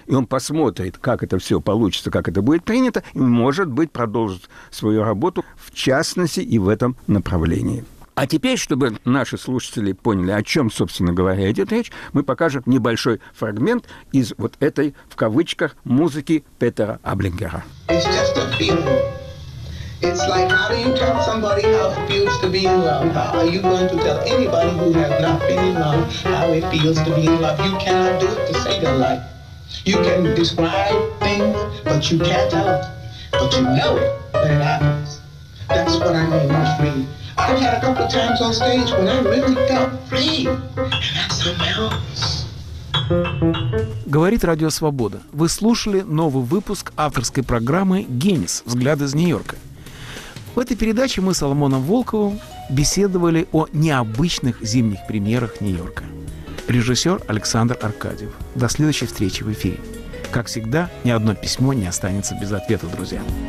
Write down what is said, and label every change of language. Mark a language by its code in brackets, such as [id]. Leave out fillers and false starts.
[ru] И он посмотрит, как это все получится, как это будет принято, и, может быть, продолжит свою работу, в частности, и в этом направлении. А теперь, чтобы наши слушатели поняли, о чем, собственно говоря, идет речь, мы покажем небольшой фрагмент из вот этой, в кавычках, музыки Петера Аблингера. [en] It's just a feeling. It's like, how do you tell somebody how it feels to be in love? How are you going to tell anybody who has not been in love how it feels to be in love? You cannot do it to save your life. You can describe things, but you can't tell it. But you know it when it happens. That's what I mean by free. I've had a couple of times on stage when I really felt free. And that's something else. [ru] Говорит Радио Свобода. Вы слушали новый выпуск авторской программы «Гиннес. Взгляд из Нью-Йорка». В этой передаче мы с Соломоном Волковым беседовали о необычных зимних премьерах Нью-Йорка. Режиссер Александр Аркадьев. До следующей встречи в эфире. Как всегда, ни одно письмо не останется без ответа, друзья.